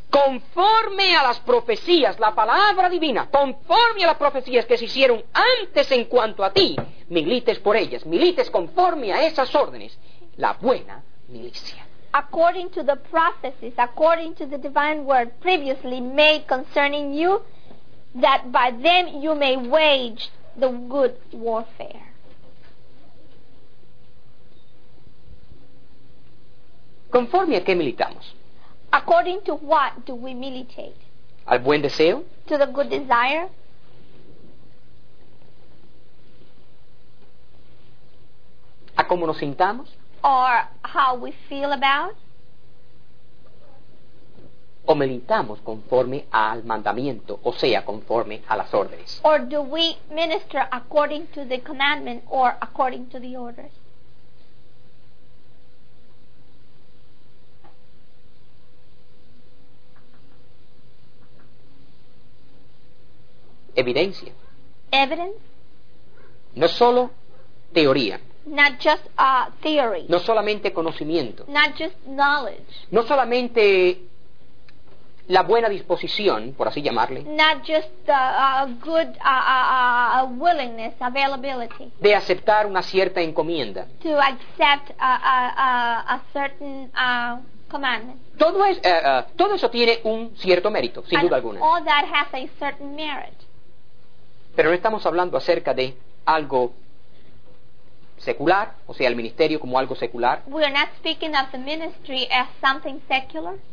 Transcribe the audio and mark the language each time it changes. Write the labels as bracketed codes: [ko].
[es] Conforme a las profecías, la palabra divina, conforme a las profecías que se hicieron antes en cuanto a ti, milites por ellas, milites conforme a esas órdenes, la buena milicia. [en] According to the prophecies, according to the divine word previously made concerning you, that by them you may wage the good warfare. [es] ¿Conforme a qué militamos? [en] According to what do we militate? [es] ¿Al buen deseo? [en] To the good desire. [es] ¿A cómo nos sintamos? [en] Or how we feel about? [es] ¿O militamos conforme al mandamiento, o sea, conforme a las órdenes? [en] Or do we minister according to the commandment or according to the orders? [es] Evidencia. [en] Evidence. [es] No solo teoría. [en] Not just theory. [es] No solamente conocimiento. [en] Not just knowledge. [es] No solamente la buena disposición, por así llamarle. [en] Not just a good willingness, availability. [es] De aceptar una cierta encomienda. [en] To accept a certain commandment. [es] Todo eso tiene un cierto mérito, sin [en] and [es] duda alguna. [en] All that has a certain merit. [es] Pero no estamos hablando acerca de algo secular, o sea, el ministerio como algo secular. [en] We are not speaking of the ministry as something secular.